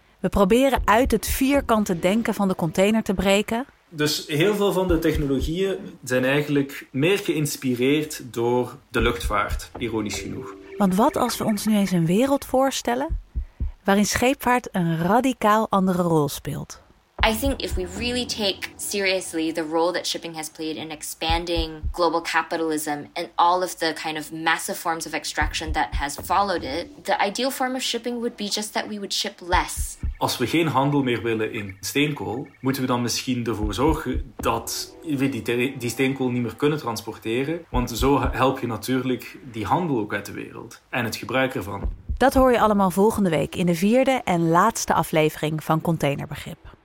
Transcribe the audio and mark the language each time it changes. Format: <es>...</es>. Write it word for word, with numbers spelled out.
<nl>We proberen uit het vierkante denken van de container te breken. Dus heel veel van de technologieën zijn eigenlijk meer geïnspireerd door de luchtvaart, ironisch genoeg. Want wat als we ons nu eens een wereld voorstellen waarin scheepvaart een radicaal andere rol speelt?</nl> <en>I think if we really take seriously the role that shipping has played in expanding global capitalism and all of the kind of massive forms of extraction that has followed it, the ideal form of shipping would be just that we would ship less.</en> <nl>Als we geen handel meer willen in steenkool, moeten we dan misschien ervoor zorgen dat we die, te- die steenkool niet meer kunnen transporteren. Want zo help je natuurlijk die handel ook uit de wereld en het gebruik ervan. Dat hoor je allemaal volgende week in de vierde en laatste aflevering van Containerbegrip.</nl>